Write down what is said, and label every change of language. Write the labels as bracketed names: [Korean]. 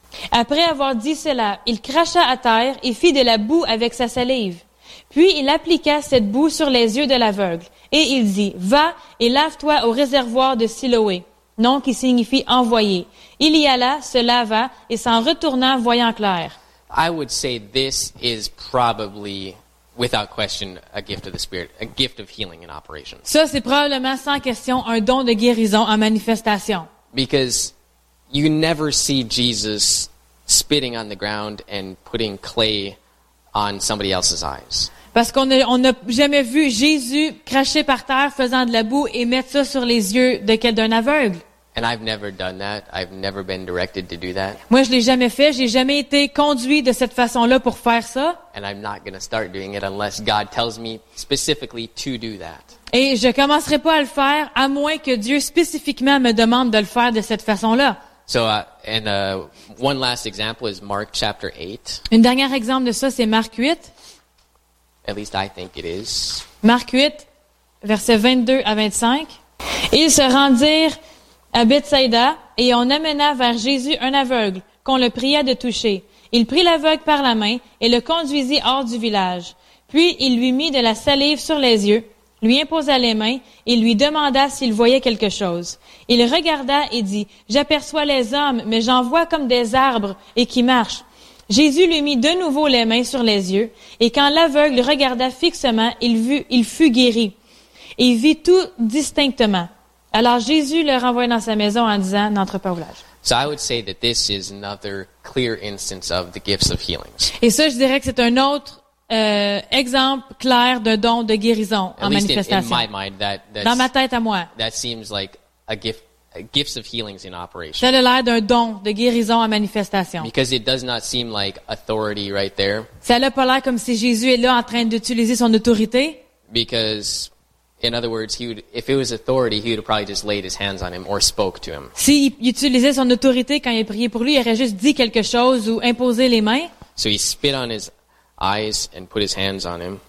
[French] Après avoir dit cela, il cracha à terre et fit de la boue avec sa salive. Puis il appliqua cette boue sur les yeux de l'aveugle. Et il dit, « Va et lave-toi au réservoir de Siloé », nom qui signifie « envoyé ». Il y alla, se lava et s'en retourna voyant clair. [English] I would say this is probably, without question, a gift of the Spirit, a gift of healing in operation. [French] Ça, c'est probablement sans question un don de guérison en manifestation. [English] Because you never see Jesus spitting on the ground and putting clay on somebody else's eyes. [French] Parce qu'on n'a jamais vu Jésus cracher par terre, faisant de la boue et mettre ça sur les yeux de quelqu'un aveugle. [English] And I've never done that. I've never been directed to do that. [French] Moi, je l'ai jamais fait. J'ai jamais été conduit de cette façon-là pour faire ça. [English] And I'm not going to start doing it unless God tells me specifically to do that. [French] Et je commencerai pas à le faire à moins que Dieu spécifiquement me demande de le faire de cette façon-là. [English] So one last example is Mark chapter 8. [French] Un dernier exemple de ça, c'est Marc 8. [English] At least I think it is. [French] Marc 8, versets 22 à 25. Ils se rendirent à Bethsaïda, et on amena vers Jésus un aveugle, qu'on le pria de toucher. Il prit l'aveugle par la main et le conduisit hors du village. Puis il lui mit de la salive sur les yeux, lui imposa les mains et lui demanda s'il voyait quelque chose. Il regarda et dit, « J'aperçois les hommes, mais j'en vois comme des arbres et qui marchent. » Jésus lui mit de nouveau les mains sur les yeux, et quand l'aveugle regarda fixement, il fut guéri. Il vit tout distinctement. Alors Jésus le renvoie dans sa maison en disant, n'entre pas au village. [English] So I would say that this is another clear instance of the gifts of healings. [French] Et ça, je dirais que c'est un autre exemple clair d'un don de guérison en manifestation. [English] In my mind, [French] dans ma tête à moi. [English] That seems like gifts of healings in operation. [French] Ça a l'air d'un don de guérison en manifestation. [English] Because it does not seem like authority right there. [French] Ça n'a pas l'air comme si Jésus est là en train d'utiliser son autorité. [English] Because in other words, if it was authority, he would have probably just laid his hands on him or spoke to him. [French] Si il utilisait son autorité quand il priait pour lui, il aurait juste dit quelque chose ou imposé les mains. [English] So he spit on his eyes and put his hands on him.